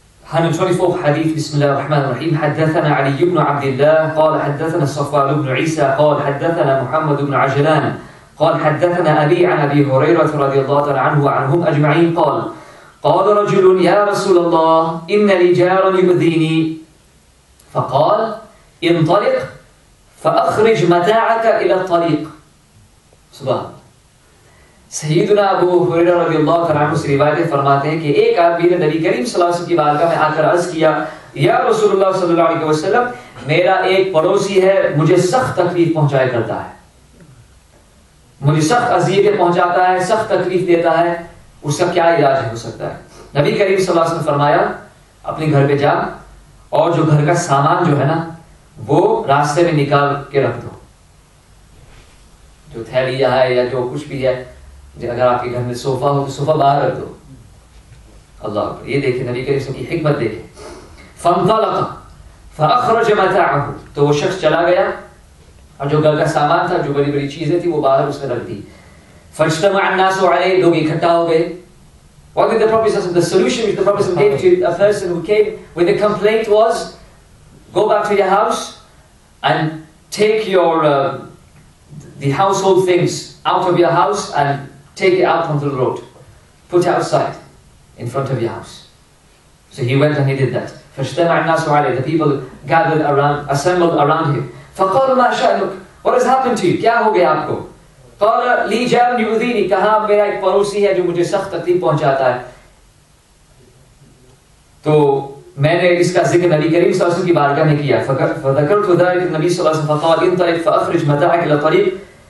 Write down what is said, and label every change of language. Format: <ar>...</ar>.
<ar>هنا نشوف حديث بسم الله الرحمن الرحيم. حدثنا علي بن عبد الله قال حدثنا صفوان بن عيسى قال حدثنا محمد بن عجلان قال حدثنا أبي عن أبي هريرة رضي الله عنه وعنهم أجمعين قال قال رجل يا رسول الله إن لي جار يؤذيني فقال انطلق فأخرج متاعك إلى الطريق.</ar> <ur>صباح سیدنا ابو حریرہ رضی اللہ عنہ سے روایتیں فرماتے ہیں کہ ایک آدمی نے نبی کریم صلی اللہ علیہ وسلم کی بارگاہ میں آ کر عرض کیا یا رسول اللہ صلی اللہ علیہ وسلم میرا ایک پڑوسی ہے مجھے سخت تکلیف پہنچایا کرتا ہے مجھے سخت اذیتیں پہنچاتا ہے سخت تکلیف دیتا ہے اس کا کیا علاج ہو سکتا ہے. نبی کریم صلی اللہ علیہ وسلم فرمایا اپنے گھر پہ جا اور جو گھر کا سامان جو ہے نا وہ راستے میں نکال کے رکھ دو جو تھیلی ہے یا جو کچھ بھی ہے اگر آپ کے گھر میں صوفہ ہو تو صوفہ باہر رکھ دو. اللہ اکبر. یہ دیکھیں نبی کریم کی حکمت دیکھیں.</ur> <ar>فانطلق فاخرج متاعه</ar> <ur>تو وہ شخص چلا گیا اور جو گھر کا سامان تھا جو بڑی بڑی چیزیں تھیں وہ باہر اس نے رکھ دی.</ur> <ar>فاجتمع الناس علیہ</ar> <ur>لوگ اکٹھا ہو گئے.</ur> <en>What did the Prophet ﷺ, the solution which the Prophet ﷺ gave to a person who came with a complaint was go back to your house and take your the household things out of your house and take it out onto the road. Put it outside, in front of your house. So he went and he did that.</en> <ar>فَاجْتَمَعَ النَّاسُ عَلَيْهِ.</ar> <en>The people gathered around, assembled around him.</en> <ar>فَقَالُ مَا شَأْنُكَ.</ar> <en>What has happened to you?</en> <ur>کیا ہو گیا آپ کو؟</ur> <ar>قَالَ لِي جَارٌ يُؤْذِينِ.</ar> <ur>کہا میرا ایک پڑوسی ہے جو مجھے سخت تکلیف پہنچاتا ہے. تو میں نے اس کا ذکر نبی کریم صلی اللہ علیہ وسلم کی بارگاہ میں کیا.</ur> <ar>فَذَكَرْتُ ذَلِكَ النَّبِي صلی اللہ علیہ وسلم فَقَالَ انطلق فَأَخْرِجْ مَتَاعَكَ إِلَى الطَّرِيقِ.</ar>